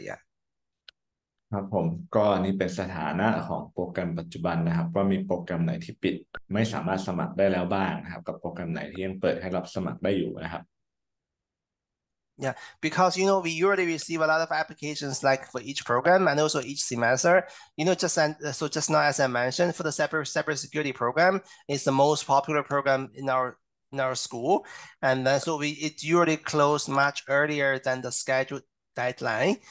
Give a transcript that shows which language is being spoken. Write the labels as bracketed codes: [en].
[en] Yeah. [th] ครับผมก็อันนี้เป็นสถานะของโปรแกรมปัจจุบันนะครับว่ามีโปรแกรมไหนที่ปิดไม่สามารถสมัครได้แล้วบ้างนะครับกับโปรแกรมไหนที่ยังเปิดให้รับสมัครได้อยู่นะครับ [en] Yeah, because we already receive a lot of applications like for each program and also each semester. Just now, as I mentioned, for the cyber security program, it's the most popular program in our in our school, and then so we it usually closed much earlier than the scheduled deadline.